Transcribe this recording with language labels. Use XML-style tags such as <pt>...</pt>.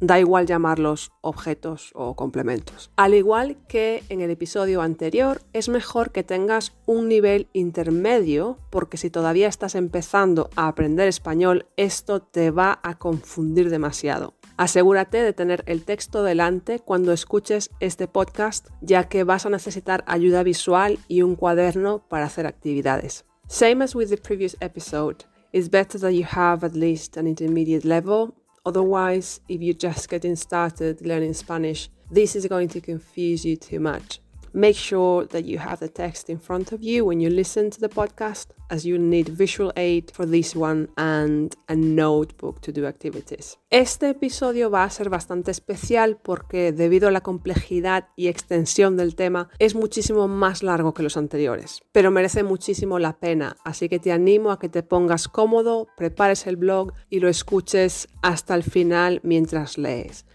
<es>Da igual llamarlos objetos o complementos. Al igual que en el episodio anterior, es mejor que tengas un nivel intermedio, porque si todavía estás empezando a aprender español, esto te va a confundir demasiado. Asegúrate de tener el texto delante cuando escuches este podcast, ya que vas a necesitar ayuda visual y un cuaderno para hacer actividades.</es> <en>Same as with the previous episode, it's better that you have at least an intermediate level. Otherwise, if you're just getting started learning Spanish, this is going to confuse you too much. Make sure that you have the text in front of you when you listen to the podcast, as you need visual aid for this one and a notebook to do activities.</en> <es>Este episodio va a ser bastante especial porque, debido a la complejidad y extensión del tema, es muchísimo más largo que los anteriores, pero merece muchísimo la pena, así que te animo a que te pongas cómodo, prepares el blog y lo escuches hasta el final mientras lees.</es>